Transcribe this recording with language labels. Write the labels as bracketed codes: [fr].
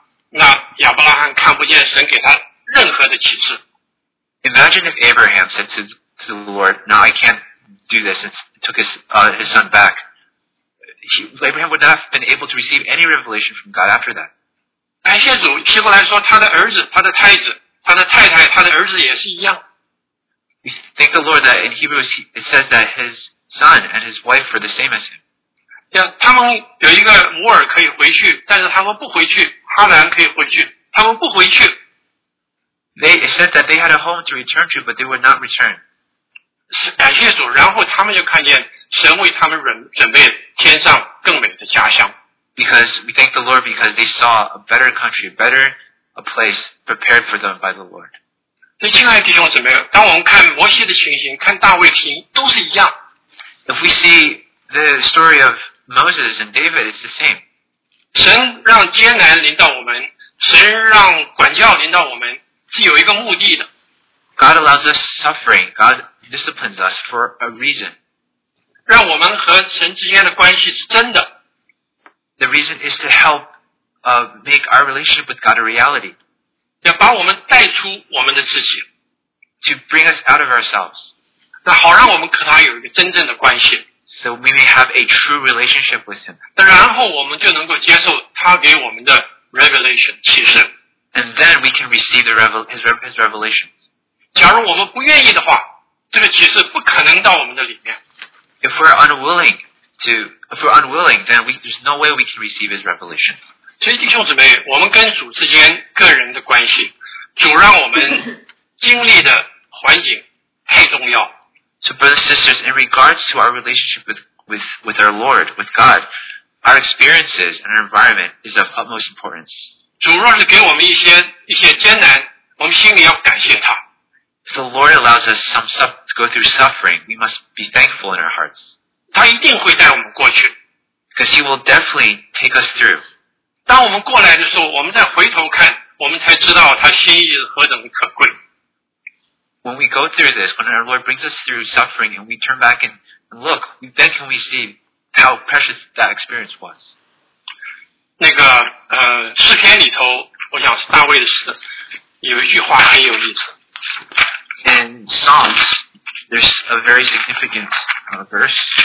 [zh] 那亚伯拉罕看不见神给他任何的启示。 [en] Imagine if Abraham said to the Lord, "No, I can't do this." And took his son back. Abraham would not have been able to receive any revelation from God after that. [zh] 感谢主，希伯来说他的儿子、他的太子、他的太太、他的儿子也是一样。 [en] We thank the Lord that in Hebrews it says that his son and his wife were the same as him. [zh] Yeah, 他们有一个摩尔可以回去，但是他们不回去。哈兰可以回去，他们不回去。 [en] They said that they had a home to return to, but they would not return. [zh] 感谢主，然后他们就看见神为他们准备天上更美的家乡。 [en] Because we thank the Lord because they saw a better country, better a place prepared for them by the Lord. [zh] 所以亲爱的弟兄姊妹，当我们看摩西的情形，看大卫的情形，都是一样。 [en] If we see the story of Moses and David, it's the same. [zh] 神让艰难临到我们，神让管教临到我们，是有一个目的的。 [en] God allows us suffering. God disciplines us for a reason. [zh] 让我们和神之间的关系是真的。 [en] The reason is to help make our relationship with God a reality. [zh] 要把我们带出我们的自己。 [en] To bring us out of ourselves. [zh] 那好让我们和他有一个真正的关系。 [en] So we may have a true relationship with him. [zh] 然后我们就能够接受他给我们的 revelation 启示。 [en] And then we can receive his revelations. [zh] 假如我们不愿意的话，这个启示不可能到我们的里面。 [en] If we're unwilling, then there's no way we can receive his revelations. [zh] 所以弟兄姊妹，我们跟主之间个人的关系，主让我们经历的环境太重要。 [en] So brothers and sisters, in regards to our relationship with our Lord, with God, our experiences and our environment is of utmost importance. [zh] 主若是给我们一些艰难，我们心里要感谢他。 [en] If the Lord allows us some to go through suffering, we must be thankful in our hearts. [zh] 他一定会带我们过去。 [en] Because he will definitely take us through. [zh] 当我们过来的时候，我们再回头看，我们才知道他心意是何等可贵。 [en] When we go through this, when our Lord brings us through suffering and we turn back and look, then can we see how precious that experience was. [zh] 那个诗篇里头，我想是大卫的诗，有一句话很有意思。 [en] In Psalms, there's a very significant verse.